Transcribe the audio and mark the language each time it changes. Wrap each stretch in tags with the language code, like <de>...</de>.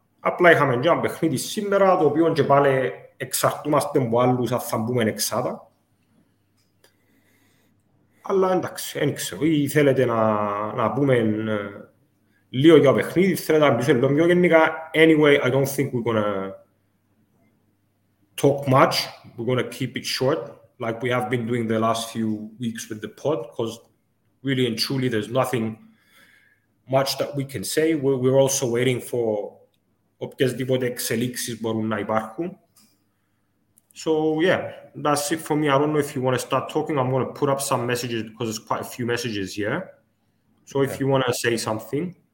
<el>Απλά είχαμε ένα παιχνίδι σήμερα, το οποίο και πάλι εξαρτούμαστε από άλλους, αν θα μπούμε εξάδα. Αλλά εντάξει, δεν ξέρω. Ή θέλετε να πούμε λίγο για το παιχνίδι, θέλετε να μιλήσουμε λίγο πιο γενικά.</el> <en>Anyway, I don't think we're going to talk much. We're going to keep it short, like we have been doing the last few weeks with the pod, because really and truly there's nothing much that we can say. We're also waiting for</en> <el>οποιασδήποτε εξελίξεις μπορούν να υπάρχουν.</el> <en>So, yeah, that's it for me. I don't know if you want to start talking. I'm going to put up some messages because there's quite a few messages here. So, okay. If you want to say something.</en>